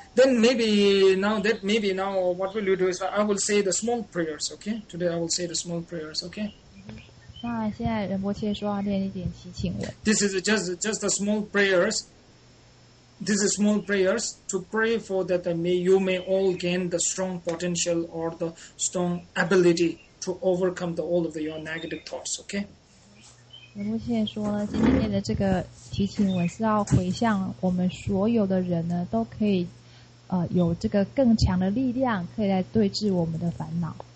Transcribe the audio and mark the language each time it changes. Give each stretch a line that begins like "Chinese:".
English: Then maybe now that maybe now what will you do is I will say the small prayers. Okay. Today I will say the small prayers. Okay.
Chinese: 那现在仁波切说要念一点祈请文。
English: This is just the small prayers. This is small prayers to pray for that you may all gain the strong potential or the strong ability to overcome the all of your negative thoughts. Okay.
Chinese: 仁波切说呢，今天念的这个提醒文是要回向我们所有的人呢，都可以，有这个更强的力量，可以来对治我们的烦恼。